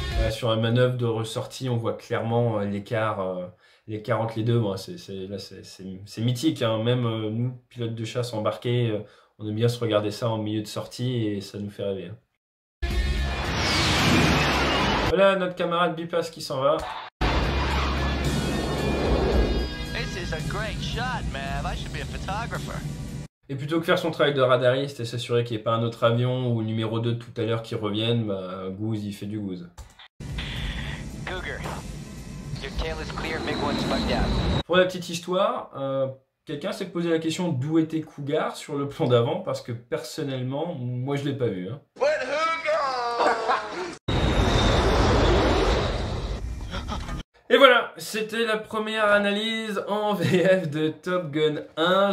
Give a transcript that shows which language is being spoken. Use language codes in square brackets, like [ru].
[fr] Sur la manœuvre de ressortie, on voit clairement l'écart entre les deux. Bon, c'est mythique. Hein. Même nous, pilotes de chasse embarqués, on aime bien se regarder ça en milieu de sortie et ça nous fait rêver. Hein. Voilà notre camarade Bipas qui s'en va. [en] This is a great shot, man. I should be a photographer. [fr] Et plutôt que faire son travail de radariste et s'assurer qu'il n'y ait pas un autre avion ou numéro 2 de tout à l'heure qui revienne, Goose, il fait du Goose. [en] Cougar, your tail is clear, big one's bugged out. [fr] Pour la petite histoire, quelqu'un s'est posé la question d'où était Cougar sur le plan d'avant, parce que personnellement, moi je l'ai pas vu. Hein. [en] What, Cougar? [fr] Et voilà, c'était la première analyse en VF de Top Gun 1.